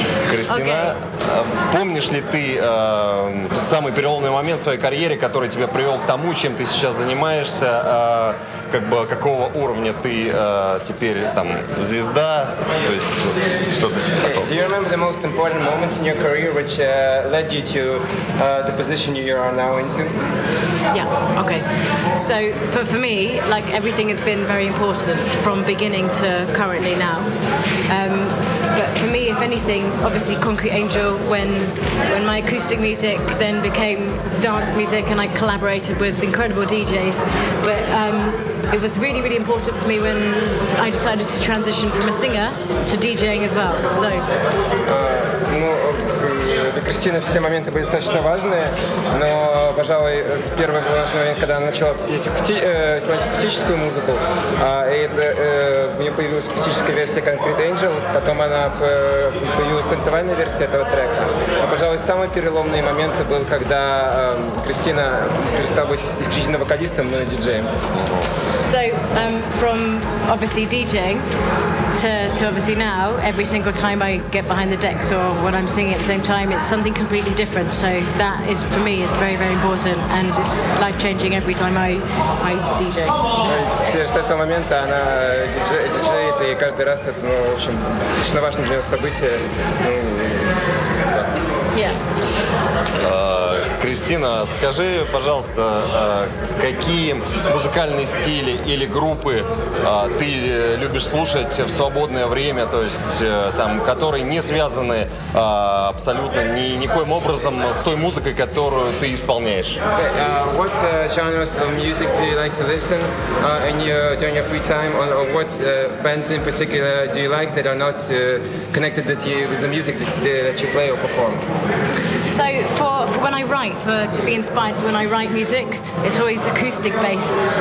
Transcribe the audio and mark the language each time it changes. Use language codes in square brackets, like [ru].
[ru] Кристина, okay. Помнишь ли ты самый переломный момент в своей карьере, который тебя привел к тому, чем ты сейчас занимаешься, как бы какого уровня ты теперь там звезда, то есть вот, что-то типа такого? [en] Okay. Do you remember the most important moments in your career, which led you to the position you are now into? Yeah, okay. So for me, like everything has been very important from beginning to currently now. But for me, if anything, obviously Concrete Angel, when my acoustic music then became dance music and I collaborated with incredible DJs, but it was really, really important for me when I decided to transition from a singer to DJing as well, so. [ru] Для Кристины все моменты были достаточно важные, но, пожалуй, с первого важного момента, когда она начала исполнять акустическую музыку, у нее появилась акустическая версия Concrete Angel, потом она появилась танцевальная версия этого трека. А, пожалуй, самый переломный момент был, когда Кристина перестала быть исключительно вокалистом, но и диджеем. [en] So, from obviously DJing to obviously now, every single time I get behind the decks or when I'm singing at the same time, it's something completely different. So that is for me is very, very important and it's life changing every time I DJ. [ru] С этого момента она диджей, и каждый раз это, ну, в общем, достаточно важное для нее событие. Кристина, скажи, пожалуйста, какие музыкальные стили или группы ты любишь слушать в свободное время, то есть там, которые не связаны абсолютно никоим образом с той музыкой, которую ты исполняешь? [en] Okay, what genres of music do you like to listen during your free time, or what bands in particular do you like that are not connected to you with the music that you play or perform? So for when I write, to be inspired for when I write music, it's always acoustic based.